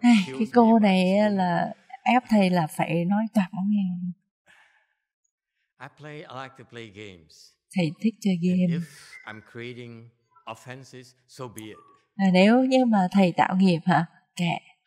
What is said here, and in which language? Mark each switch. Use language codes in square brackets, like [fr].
[vi] cái cô này là ép thầy là phải nói toàn bóng nghe. [en] I like to play games. [vi] Thầy thích chơi game. [en] And if I'm creating offenses, so be it. [vi] Nếu như mà thầy tạo nghiệp hả? Kệ.